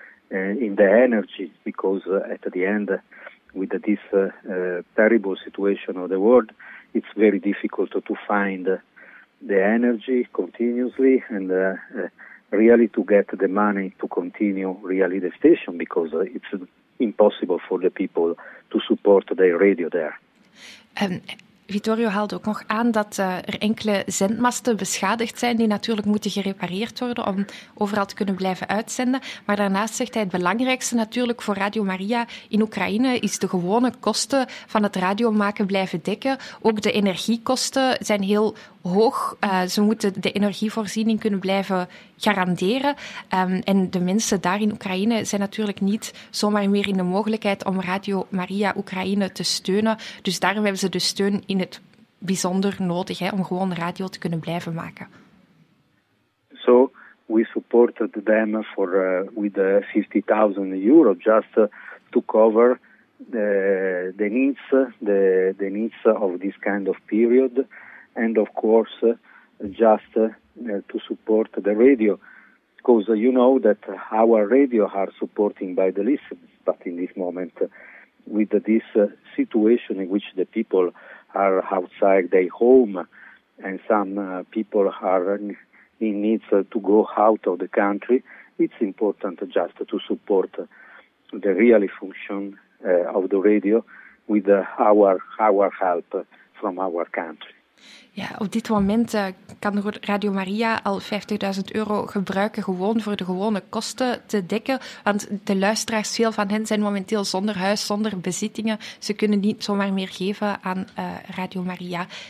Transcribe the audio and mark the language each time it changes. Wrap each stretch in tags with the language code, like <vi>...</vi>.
<en>in the energy, because at the end, with this terrible situation of the world, it's very difficult to find the energy continuously and really to get the money to continue really the station, because it's impossible for the people to support their radio there.</en> <nl>Vittorio haalde ook nog aan dat er enkele zendmasten beschadigd zijn die natuurlijk moeten gerepareerd worden om overal te kunnen blijven uitzenden. Maar daarnaast zegt hij het belangrijkste natuurlijk voor Radio Maria in Oekraïne is de gewone kosten van het radiomaken blijven dekken. Ook de energiekosten zijn heel hoog. Ze moeten de energievoorziening kunnen blijven garanderen. En de mensen daar in Oekraïne zijn natuurlijk niet zomaar meer in de mogelijkheid om Radio Maria Oekraïne te steunen. Dus daarom hebben ze de steun in het bijzonder nodig, hè, om gewoon radio te kunnen blijven maken.</nl> <en>So we supported them for with €50,000 just to cover the needs of this kind of period. And of course, just to support the radio, because you know that our radio are supporting by the listeners. But in this moment, with this situation in which the people are outside their home, and some people are in need to go out of the country, it's important just to support the really function of the radio with our help from our country.</en> <nl>Ja, op dit moment kan Radio Maria al €50,000 gebruiken gewoon voor de gewone kosten te dekken. Want de luisteraars, veel van hen, zijn momenteel zonder huis, zonder bezittingen. Ze kunnen niet zomaar meer geven aan Radio Maria.</nl>